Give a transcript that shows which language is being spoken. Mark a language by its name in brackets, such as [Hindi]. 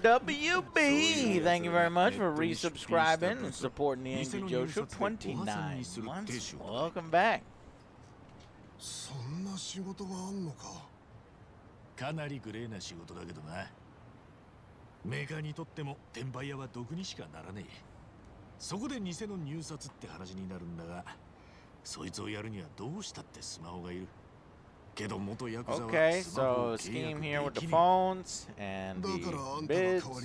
[English] WB!Thank you very much for resubscribing and supporting the Angry Joshua 29 months. Welcome back. [Japanese] そんな仕事があんのか。かなりグレーな仕事だけどな。メーカーにとっても転売屋は毒にしかならねえ。 [English] Okay, so scheme here with the phones and the bids.